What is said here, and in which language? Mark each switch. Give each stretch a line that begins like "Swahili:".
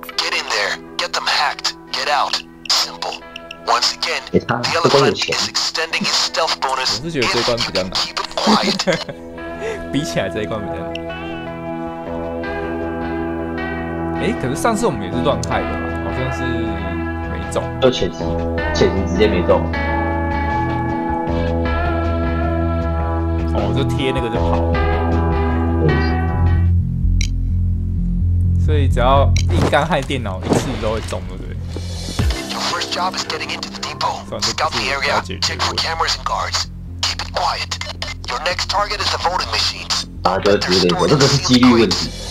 English: Get in there, get them hacked, get out. Simple. Once again, the elephant is extending his stealth bonus.
Chinese: 我是觉得这一关比较难。比起来这一关比较难。可是上次我们也是乱开的，好像是没中。就潜行直接没中。我就贴那个就好，所以只要一干害电脑一次都会中，对不对？
English: Your first job is getting into the depot. Scout the area, check for cameras and guards. Keep it quiet. Your next target is the voting machines.
Chinese: 啊，这是几率问题，这是几率问题。